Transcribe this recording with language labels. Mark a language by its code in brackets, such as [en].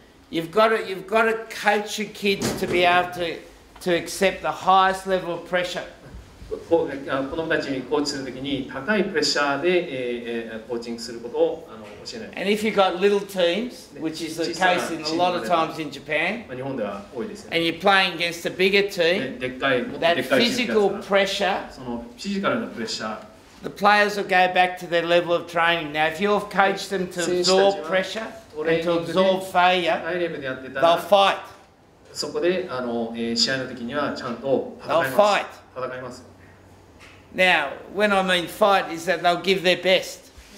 [en] You've got to coach your kids to be able to accept the highest level of pressure. [ja] 子供たちにコーチするときに高いプレッシャーでコーチングすることを教えない。 [en] And if you've got little teams, which is the case in a lot of times in Japan, [ja] 日本では多いですね。 [en] And you're playing against a bigger team, that physical pressure, [ja] そのフィジカルなプレッシャー、 [en] the players will go back to their level of training. Now, if you've coached them to absorb pressure and to absorb failure, they'll fight. [ja] そこで試合のときにはちゃんと戦います。 [en] Now, when I mean fight, is that they'll give their best.